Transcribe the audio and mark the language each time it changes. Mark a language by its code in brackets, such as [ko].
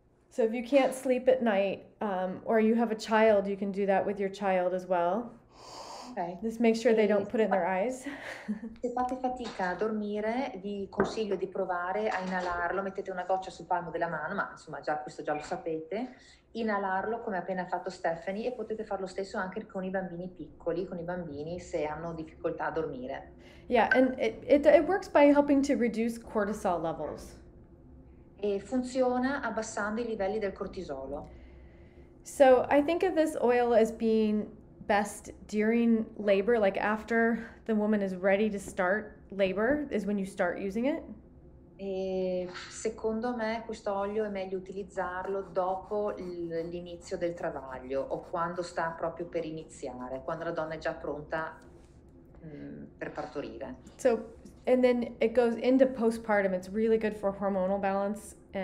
[en] So if you can't sleep at night, or you have a child, you can do that with your child as well. Okay. Just make sure they don't put it in their [it] se [en] eyes. [it] fate fatica a dormire, vi consiglio di provare a inalarlo. Mettete una goccia sul palmo della mano, ma insomma, già questo già lo sapete. Inalarlo come ha appena fatto Stephanie, e potete fare lo stesso anche con i bambini piccoli, con i bambini se hanno difficoltà a dormire. [en] Yeah, and it works by helping to reduce cortisol levels. [it] E funziona abbassando i livelli del cortisolo. [en] So I think of this oil as being best during labor, like after the woman is ready to start labor, is when you start using it. [it] E secondo me questo olio è meglio utilizzarlo dopo l'inizio del travaglio o quando sta proprio per iniziare, quando la donna è già pronta per partorire. [en] So, and then it goes into postpartum. It's really good for hormonal balance.